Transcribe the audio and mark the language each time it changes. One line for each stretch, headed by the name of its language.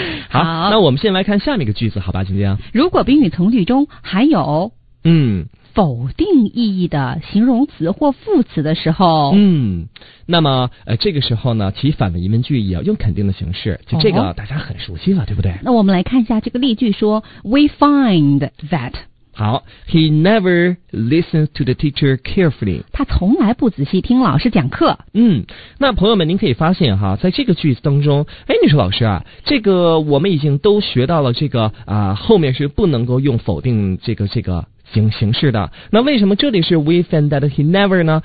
Chinese: 好，那我们先来看下面一个句子，好吧，晶晶。如果宾语从句中还有否定意义的形容词或副词的时候，那么这个时候呢，其反问疑问句也要用肯定的形式，就这个大家很熟悉了，对不对？那我们来看一下这个例句，说
English: We find that。好， He never listens to the teacher carefully，
Chinese: 他从来不仔细听老师讲课。那朋友们您可以发现哈，在这个句子当中，你说老师啊，这个我们已经都学到了这个后面是不能够用否定这个形式的，那为什么这里是
English: we find that he never
Chinese: 呢？